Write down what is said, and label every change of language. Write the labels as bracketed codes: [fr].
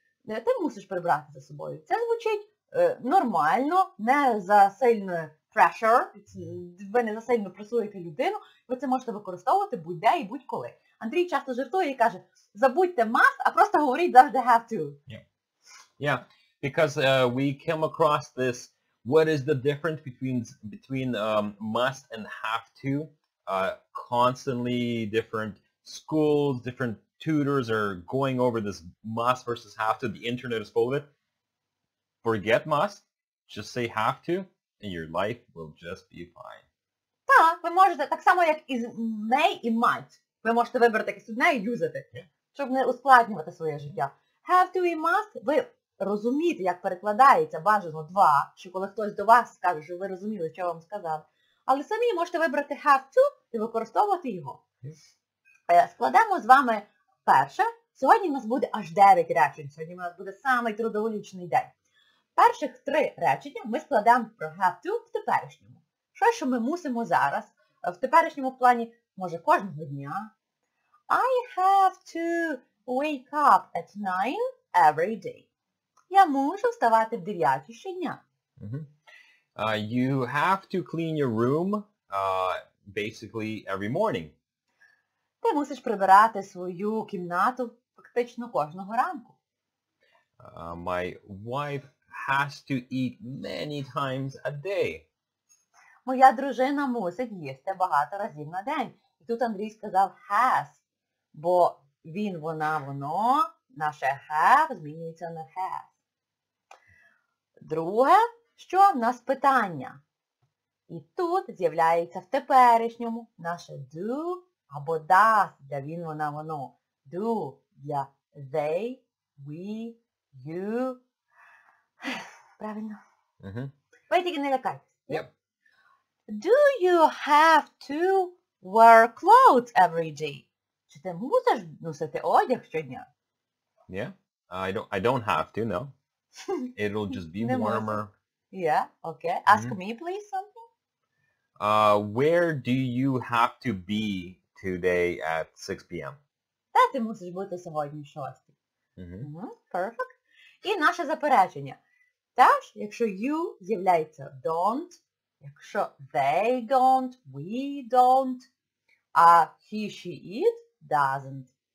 [uk] Ти мусиш прибрати за собою. Це звучить нормально, не за сильне pressure. Ви не за сильно пресуєте людину. Ви це можете використовувати будь-де і будь-коли. Андрій часто жартує і каже, забудьте must, а просто говоріть завжди have to. [en] Yeah, because we came across this, what is the difference between must and have to? constantly different schools, different tutors are going over this must versus have to. The internet is full of it. Forget must, just say have to, and your life will just be fine. [uk] Так, ви можете, так само як із may і might, ви можете вибрати якесь одне і юзати, щоб не ускладнювати своє життя. Have to і must, ви розумієте, як перекладається бажано два, що коли хтось до вас скаже, що ви розуміли, що вам сказав, але самі можете вибрати have to і використовувати його. Складемо з вами перше. Сьогодні у нас буде аж 9 речень, сьогодні у нас буде самий трудоголічний день. Перших 3 речення ми складемо про have to в теперішньому. Що, що ми мусимо зараз, в теперішньому плані, може, кожного дня. [en] I have to wake up at 9 every day. [uk] Я мушу вставати в 9 щодня. [en] You have to clean your room basically every morning. [uk] Ти мусиш прибирати свою кімнату фактично кожного ранку. [en] My wife has to eat many times a day. [uk] Моя дружина мусить їсти багато разів на день. І тут Андрій сказав has, бо він, вона, воно, наше have змінюється на has. Друге, що в нас питання? І тут з'являється в теперішньому наше do або does для він, вона, воно. Do для they, we, you. Правильно. Ви тільки не лякайтесь. Yep. [en] Do you have to wear clothes every day? [uk] Чи ти мусиш носити одяг щодня? [en] Yeah, I don't have to, no. It'll just be warmer. Yeah, okay. Ask me, please, something. Where do you have to be today at 6 p.m.? [uk] Та ти мусиш бути сьогодні в 6. [en] Perfect. [uk] І наше заперечення. Теж, якщо you з'являється don't, якщо they don't, we don't, а he, she, it doesn't.